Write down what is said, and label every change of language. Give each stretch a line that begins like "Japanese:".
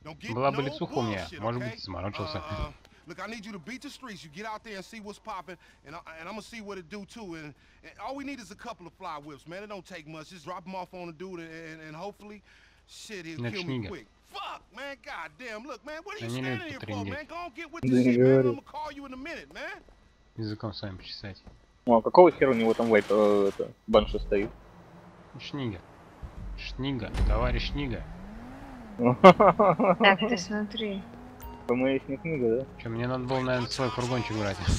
Russian: Была бы лицуха у меня, может быть, заморочился.
English: Look, I need you to beat the streets. You get out there and see what's popping, and I'm gonna see what it do too. And all we need is a couple of fly whips, man. It don't take much. Just drop them off on the dude, and hopefully, shit, he'll kill me quick. Fuck, man. God damn. Look, man. What are you standing here for, man? Go on, get with the shit, man. I'm gonna call you in a minute, man.
Russian: Языком сами почесать. О, какого хера у него там вейп, это банша стоит? Шнига. Шнига, товарищ Шнига. Так, ты смотри. По-моему, не книга, да? Че, мне надо было, наверное, свой фургончик брать.